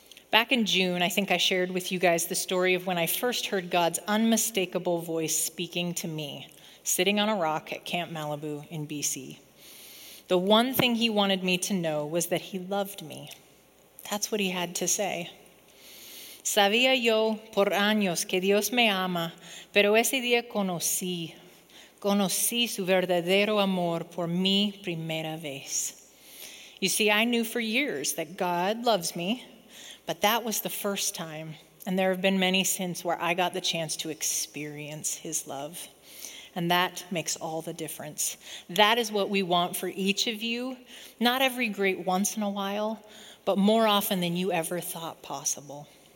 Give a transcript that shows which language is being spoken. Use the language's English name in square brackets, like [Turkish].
[English] Back in June, I think I shared with you guys the story of when I first heard God's unmistakable voice speaking to me, sitting on a rock at Camp Malibu in BC. The one thing he wanted me to know was that he loved me. That's what he had to say. [Spanish] Sabía yo por años que Dios me ama, pero ese día conocí su verdadero amor por mí primera vez. [English] You see, I knew for years that God loves me, but that was the first time, and there have been many since where I got the chance to experience his love. And that makes all the difference. That is what we want for each of you, not every great once in a while, but more often than you ever thought possible.